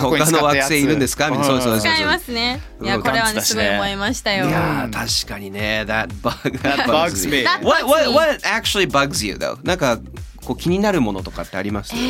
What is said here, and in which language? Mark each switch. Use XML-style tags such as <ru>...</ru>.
<ja>他の惑星いるんですか。そうそうそう、使いますね。いや、これはね、すごい思いましたよ。いや確かにね、</ja> <en>That bugs me。 What actually bugs you though?</en> <ja>なんか気になるものとかってあります？</ja>